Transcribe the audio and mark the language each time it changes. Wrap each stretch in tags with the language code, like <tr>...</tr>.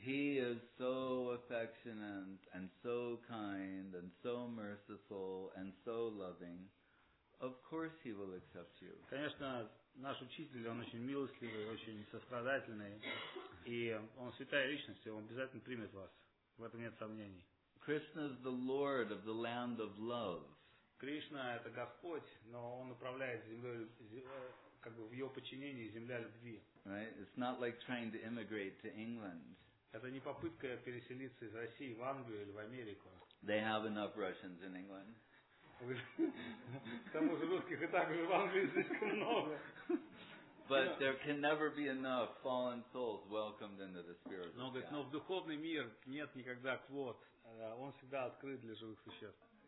<en>He is so affectionate and so kind and so merciful and so loving. Of course he will accept you.</en> <ru>Конечно, наш учитель, он очень милостивый, очень сострадательный, и он святая личность, и он обязательно примет вас. В этом нет сомнений.</ru> <en>Krishna is the Lord of the land of love.</en> <ru>Кришна — это Господь, но Он управляет землей, как бы в Его подчинении земля любви.</ru> <en>Right? It's not like trying to immigrate to England.</en> <ru>Это не попытка переселиться из России в Англию или в Америку.</ru> <en>They have enough Russians in England.</en> <ru>К тому же русских и так же в Англии слишком много.</ru> <en>But there can never be enough fallen souls welcomed into the spirit.</en> <ru>Но, говорит, но в духовный мир нет никогда квот. Он всегда открыт для живых существ.</ru>